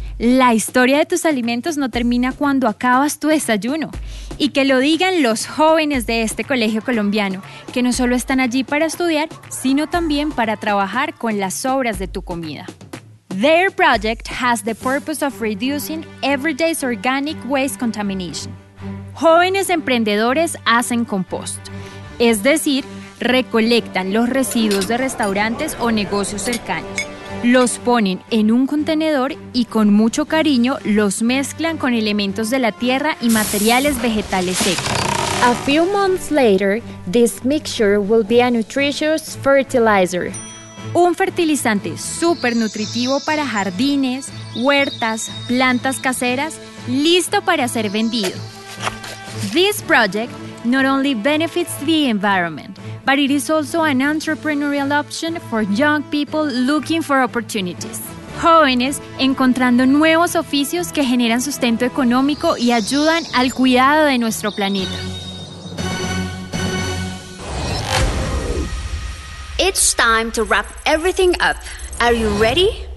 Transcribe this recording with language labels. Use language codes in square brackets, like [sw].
[es] La historia de tus alimentos no termina cuando acabas tu desayuno. Y que lo digan los jóvenes de este colegio colombiano, que no solo están allí para estudiar, sino también para trabajar con las sobras de tu comida. [en] Their project has the purpose of reducing everyday organic waste contamination. [es] Jóvenes emprendedores hacen compost, es decir, recolectan los residuos de restaurantes o negocios cercanos. Los ponen en un contenedor y con mucho cariño los mezclan con elementos de la tierra y materiales vegetales secos. [en] A few months later, this mixture will be a nutritious fertilizer. [es] Un fertilizante súper nutritivo para jardines, huertas, plantas caseras, listo para ser vendido. [en] This project not only benefits the environment, but it is also an entrepreneurial option for young people looking for opportunities. [es] Jóvenes encontrando nuevos oficios que generan sustento económico y ayudan al cuidado de nuestro planeta. [en] It's time to wrap everything up. Are you ready?